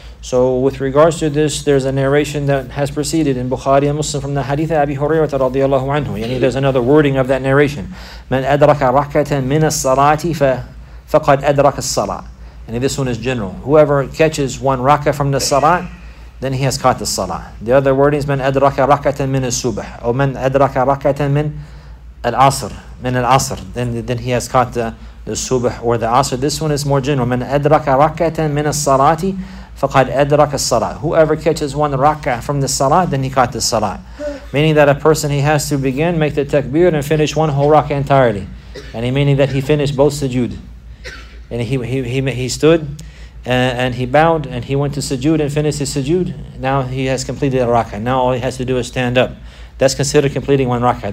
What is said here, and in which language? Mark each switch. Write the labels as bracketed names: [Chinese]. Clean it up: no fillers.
[English] So with regards to this, there's a narration that has preceded in Bukhari and Muslim from the Haditha Abi Hurairah radiallahu anhu. Yani there's another wording of that narration. [Arabic] مَنْ أَدْرَكَ رَكَّةً مِنَ الصَّلَاةِ فَقَدْ أَدْرَكَ الصَّلَاةِ. [English] And this one is general. Whoever catches one rakah from the salat, then he has caught the salah. The other wording is [Arabic] من أدرك ركعة من الصبح أو من أدرك ركعة من العصر من العصر. [English] Then he has caught the subh or the asr. This one is more general. [Arabic] من أدرك ركعة من الصلاة فقد أدرك الصلاة. [English] Whoever catches one rak'ah from the salah, then he caught the salah. Meaning that a person, he has to begin, make the takbir, and finish one whole rak'ah entirely. And he meaning that he finished both sujood. And he stood and he bowed and he went to sujood and finished his sujood. Now he has completed a rak'ah. Now all he has to do is stand up. That's considered completing one rak'ah.